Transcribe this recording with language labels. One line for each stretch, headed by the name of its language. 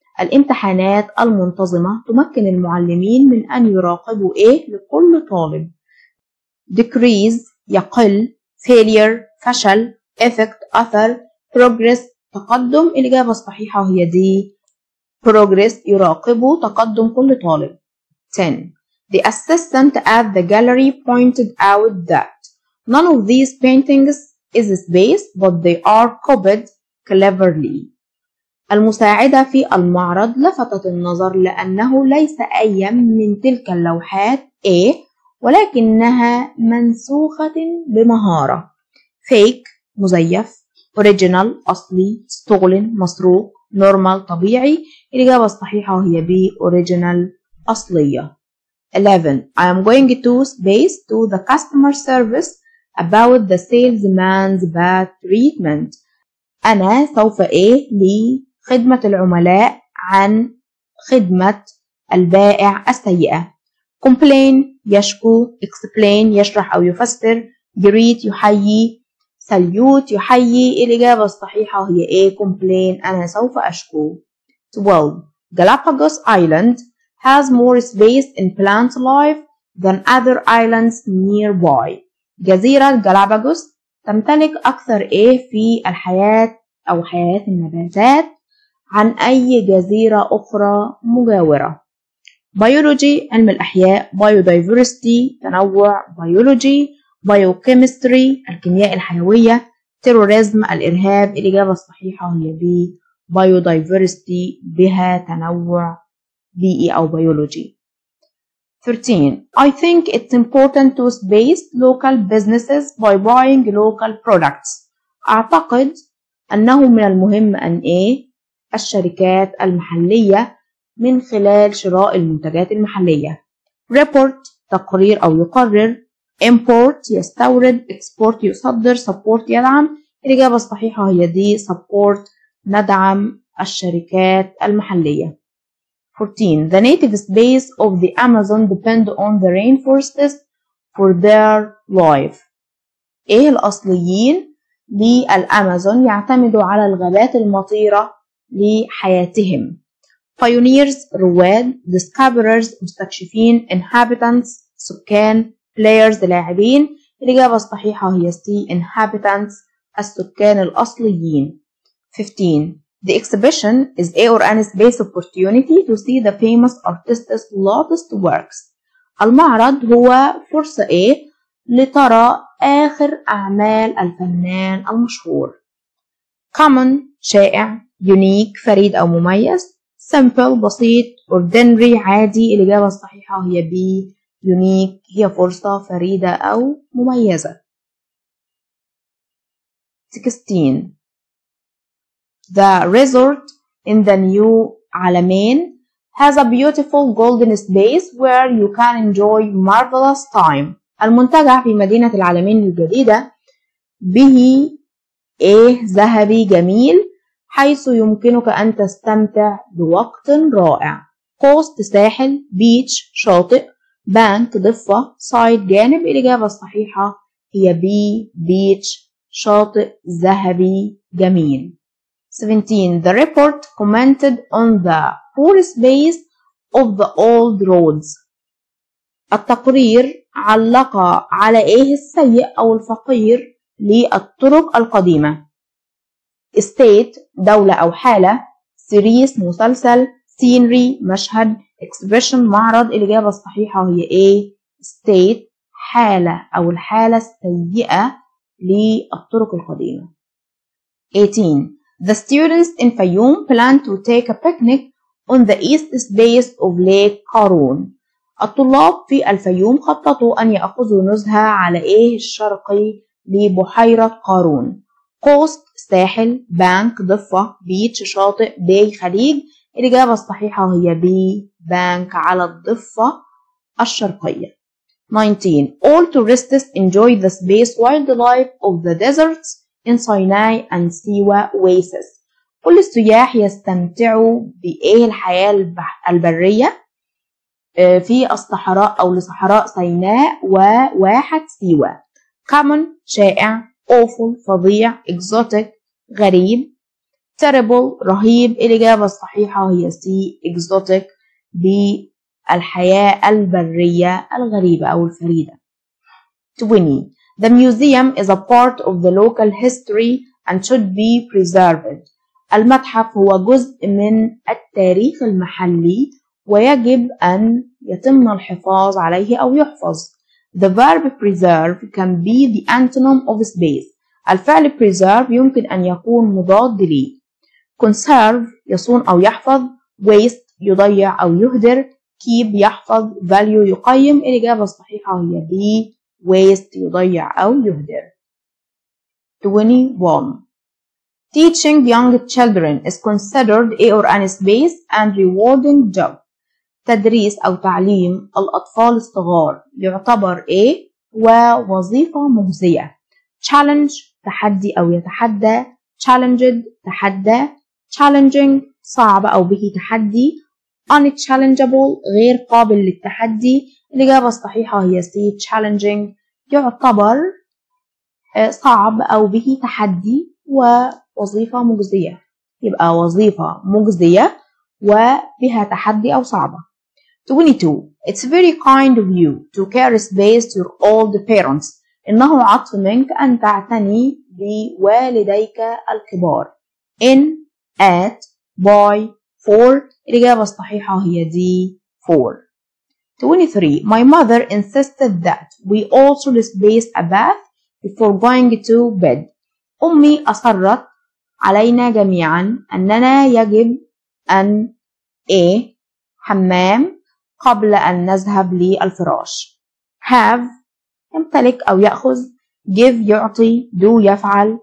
Arabic: الامتحانات المنتظمة تمكن المعلمين من أن يراقبوا لكل طالب. Decrease يقل, failure فشل, effect أثر, progress تقدم. الإجابة الصحيحة هي D, progress يراقبوا تقدم كل طالب.
English: 10. The assistant at the gallery pointed out that none of these paintings is space, but they are copied cleverly.
Arabic: المساعدة في المعرض لفتت النظر لأنه ليس أي من تلك اللوحات A ولكنها منسوخة بمهارة. fake مزيف، original أصلي، stolen مسروق، normal طبيعي. الإجابة الصحيحة هي B original أصلية.
English: 11. I am going to space to the customer service about the salesman's bad treatment.
Arabic: أنا سوف إيه لخدمة العملاء عن خدمة البائع السيئة. Complain يشكو، explain يشرح أو يفسر، greet يحيي، salute يحيي. الإجابة الصحيحة هي A complain، أنا سوف أشكو.
English: 12. Galapagos Island has more space in plant life than other islands nearby.
Arabic: جزيرة غالاباغوس تمتلك أكثر إيه في الحياة أو حياة النباتات عن أي جزيرة أخرى مجاورة. بيولوجي علم الأحياء، biodiversity تنوع، biology biochemistry الكيمياء الحيوية، terrorism الإرهاب. الإجابة الصحيحة هي B biodiversity بها تنوع بيئي أو بيولوجي.
English: 13. I think it's important to space local businesses by buying local products.
Arabic: أعتقد أنه من المهم أن إيه الشركات المحلية من خلال شراء المنتجات المحلية. Report تقرير أو يقرر، Import يستورد، Export يصدر، Support يدعم. الإجابة الصحيحة هي دي Support ندعم الشركات المحلية.
English: 14. The native space of the Amazon depend on the rainforests for their life.
Arabic: إيه الأصليين للأمازون يعتمدوا على الغابات المطيرة لحياتهم. Pioneers رواد، Discoverers مستكشفين، Inhabitants سكان، Players لاعبين. الإجابة الصحيحة هي C Inhabitants السكان الأصليين.
English: 15. The exhibition is a or an space opportunity to see the famous artist's latest works.
Arabic: المعرض هو فرصة A لترى آخر أعمال الفنان المشهور. Common شائع، unique فريد أو مميز، simple بسيط، ordinary عادي. الإجابة الصحيحة هي B unique هي فرصة فريدة أو مميزة.
English: 16. The resort in the new Alamein has a beautiful golden space where you can enjoy marvelous time.
Arabic: المنتجع في مدينة العلمين الجديدة به إيه ذهبي جميل حيث يمكنك أن تستمتع بوقت رائع. Coast ساحل، beach شاطئ، bank ضفة، side جانب. الإجابة الصحيحة هي B beach شاطئ ذهبي جميل.
English: 17. The report commented on the poor space of the old roads.
Arabic: التقرير علق على إيه السيء أو الفقير للطرق القديمة. State دولة أو حالة، series مسلسل، scenery مشهد، exhibition معرض. الإجابة الصحيحة هي A state حالة أو الحالة السيئة للطرق القديمة.
English: 18. The students in Fayoum plan to take a picnic on the east space of Lake Karoun.
Arabic: الطلاب في الفيوم خططوا أن يأخذوا نزهة على إيه الشرقي لبحيرة قارون. Coast ساحل، bank ضفة، beach شاطئ، bay خليج. الإجابة الصحيحة هي B bank على الضفة الشرقية.
English: 19. All tourists enjoy the space wildlife of the deserts in Sinai and Siwa Oasis.
Arabic: كل السياح يستمتعوا بإيه الحياة البرية في الصحراء أو لصحراء سيناء وواحة سيوة. Common شائع، awful فظيع، exotic غريب، terrible رهيب. الإجابة الصحيحة هي C exotic بالحياة البرية الغريبة أو الفريدة.
English: 20. The museum is a part of the local history and should be preserved.
Arabic: المتحف هو جزء من التاريخ المحلي ويجب أن يتم الحفاظ عليه أو يحفظ.
English: The verb preserve can be the antonym of space.
Arabic: الفعل preserve يمكن أن يكون مضاد لي. Conserve يصون أو يحفظ. Waste يضيع أو يهدر. keep يحفظ value يقيم الإجابة الصحيحة هي B waste يضيع أو يهدر.
English: 21 teaching young children is considered a or an space and rewarding job.
Arabic: تدريس أو تعليم الأطفال الصغار يعتبر A ووظيفة مجزية. challenge تحدي أو يتحدى. challenged تحدى. challenging صعب أو به تحدي. unchallengeable غير قابل للتحدي. الإجابة الصحيحة هي C challenging يعتبر صعب أو به تحدي ووظيفة مجزية. يبقى وظيفة مجزية وبها تحدي أو صعبة.
English: 22 It's very kind of you to care space your old parents.
Arabic: إنه عطف منك أن تعتني بوالديك الكبار.
English: In, at, by, for.
Arabic: الإجابة الصحيحة هي
English: D. For. 23 My mother insisted that we all should space a bath before going to bed.
Arabic: أمي أصرت علينا جميعا أننا يجب أن A. حمام قبل أن نذهب للفراش. Have يمتلك أو يأخذ. Give يعطي. Do يفعل.